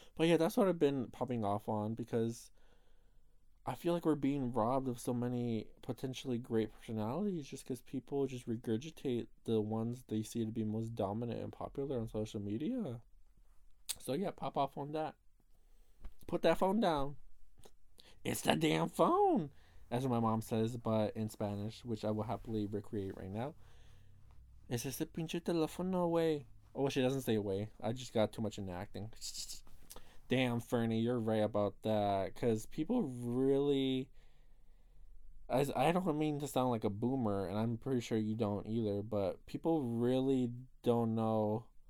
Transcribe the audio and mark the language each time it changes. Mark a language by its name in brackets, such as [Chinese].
[English] But yeah, that's what I've been popping off on, because I feel like we're being robbed of so many potentially great personalities just because people just regurgitate the ones they see to be most dominant and popular on social media. So yeah, pop off on that. Put that phone down. It's the damn phone, as my mom says, but in Spanish, which I will happily recreate right now. [Spanish] Es ese pinche teléfono, güey. [English] Oh, she doesn't say away. I just got too much into acting. Damn, Fernie, you're right about that. Because people really... I don't mean to sound like a boomer, and I'm pretty sure you don't either, but people really don't know